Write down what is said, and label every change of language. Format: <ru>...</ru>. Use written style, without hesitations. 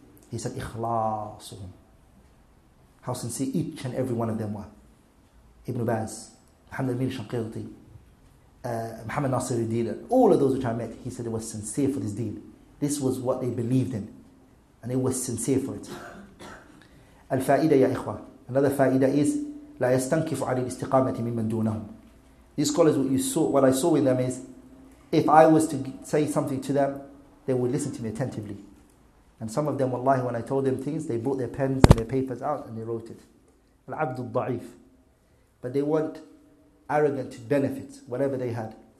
<en>He said, Ikhlasuhum. How sincere each and every one of them were. Ibn Baz, Muhammad Amin al-Shanqirti, Muhammad Nasir al-Din, all of those which I met, he said they were sincere for this deen. This was what they believed in. And they were sincere for it.</en> <ar>Al-Fa'idah ya ikhwah.</ar> <en>Another fa'idah is,</en> <ar>لا يستنكف على الاستقامة ممن دونهم.</ar> <en>These scholars, what I saw with them is, if I was to say something to them, they would listen to me attentively. And some of them, wallahi, when I told them things, they brought their pens and their papers out and they wrote it. Al-Abd al-Da'if. But they weren't arrogant to benefit whatever they had.</en>